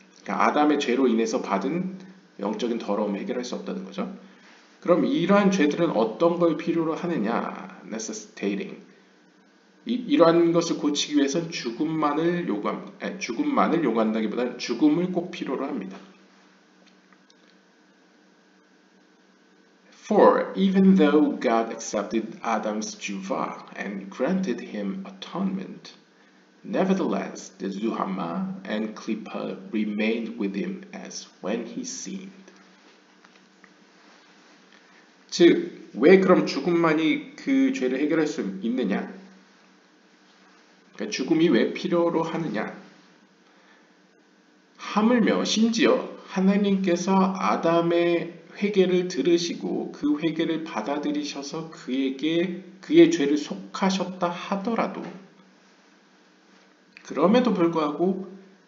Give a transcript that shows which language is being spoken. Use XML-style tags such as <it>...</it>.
<ko>그러니까 아담의 죄로 인해서 받은 영적인 더러움을 해결할 수 없다는 거죠. 그럼 이러한 죄들은 어떤 걸 필요로 하느냐?</ko> <en>Necessitating.</en> <ko>이러한 것을 고치기 위해서 죽음만을 요구한다기보다는 죽음을 꼭 필요로 합니다.</ko> <en>For even though God accepted Adam's tshuva and granted him atonement, nevertheless the zuhama and klipa remained with him as when he sinned.</en> <ko>즉, 왜 그럼 죽음만이 그 죄를 해결할 수 있느냐? 그러니까 죽음이 왜 필요로 하느냐? 하물며 심지어 하나님께서 아담의 회개를 들으시고 그 회개를 받아들이셔서 그에게 그의 죄를 속하셨다 하더라도 그럼에도 불구하고</ko>